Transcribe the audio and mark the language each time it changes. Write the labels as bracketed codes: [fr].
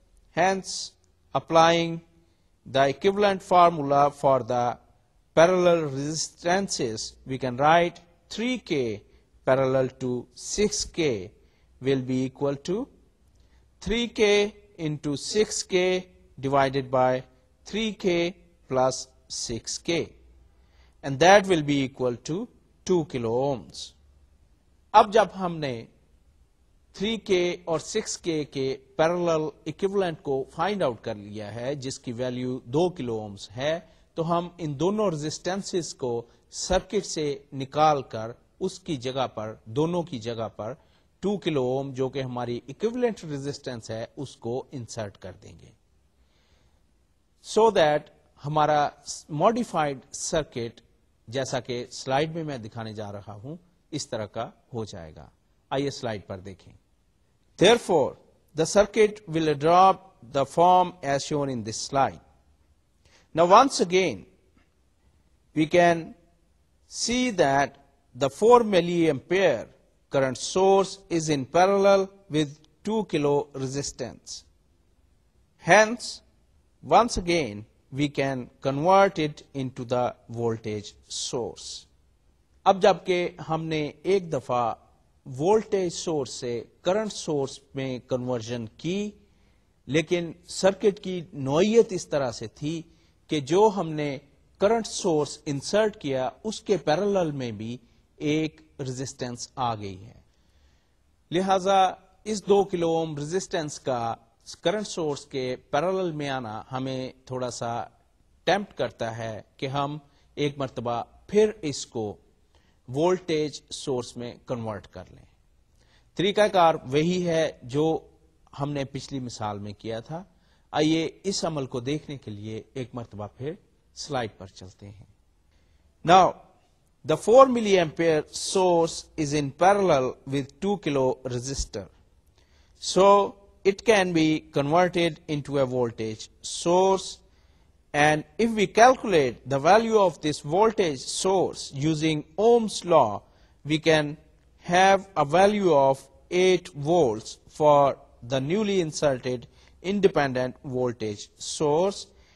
[en] Hence, applying the equivalent formula for the parallel resistances, we can write 3K parallel to 6K will be equal to 3K into 6K divided by 3K plus 6K. And that will be equal to 2 kilo ohms. [ur] اب جب ہم نے 3K اور 6K کے parallel equivalent کو find out کر لیا ہے جس کی value 2 kilo ohms ہے تو ہم ان دونوں resistances کو circuit سے نکال کر اس کی جگہ پر دونوں کی جگہ پر 2 kilo ohm جو کہ ہماری equivalent resistance ہے اس کو insert کر دیں گے [en] so that [ur] ہمارا modified circuit جیسا کہ سلائیڈ میں میں دکھانے جا رہا ہوں اس طرح کا ہو جائے گا. آئیے سلائیڈ پر دیکھیں. [en] Therefore, the circuit will adopt the form as shown in this slide. Now, once again, we can see that the 4 milliampere current source is in parallel with 2 kilo resistance. Hence, once again, we can convert it into the voltage source. [ur] اب جبکہ ہم نے ایک دفعہ voltage source سے current source میں conversion کی لیکن circuit کی نوعیت اس طرح سے تھی کہ جو ہم نے current source insert کیا اس کے parallel میں بھی ایک resistance آ گئی ہے. لہذا اس 2 kilo ohm resistance کا کرنٹ سورس کے پیرل میں آنا ہمیں تھوڑا سا ٹیمپٹ کرتا ہے کہ ہم ایک مرتبہ پھر اس کو وولٹیج سورس میں کنورٹ کر لیں. طریقہ کار وہی ہے جو ہم نے پچھلی مثال میں کیا تھا. آئیے اس عمل کو دیکھنے کے لیے ایک مرتبہ پھر سلائیڈ پر چلتے ہیں. [en] Now, the 4 milliampere source is in parallel with 2 kilo resistor. So, it can be converted into a voltage source, and if we calculate the value of this voltage source using Ohm's law, we can have a value of 8 volts for the newly inserted independent voltage source,